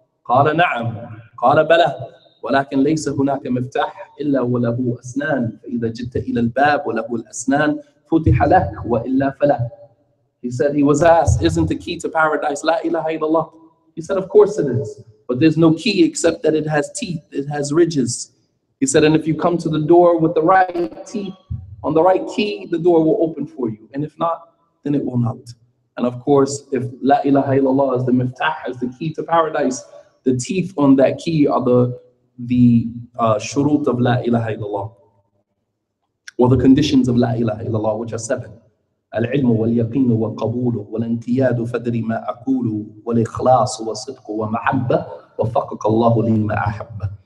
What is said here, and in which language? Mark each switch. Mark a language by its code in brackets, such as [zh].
[ar] قال نعم قال بلى ولكن ليس هناك مفتاح إلا وله أسنان فإذا جئت إلى الباب وله الأسنان فتح لك وإلا فلا. [en] He said, he was asked, isn't the key to paradise [ar] لا إله إلا الله? [en] He said, of course it is, but there's no key except that it has teeth, it has ridges. He said, and if you come to the door with the right teeth on the right key, the door will open for you, and if not, then it will not. And of course, if [ar] لا إله إلا الله [en] is the مفتاح, is the key to paradise, the teeth on that key are the shurut of La ilaha illallah, or the conditions of La ilaha illallah, which are seven. [ar] العلم واليقين والقبول والانتياد فدري ما أقول والإخلاص والصدق ومحبة وفقك الله لما أحب.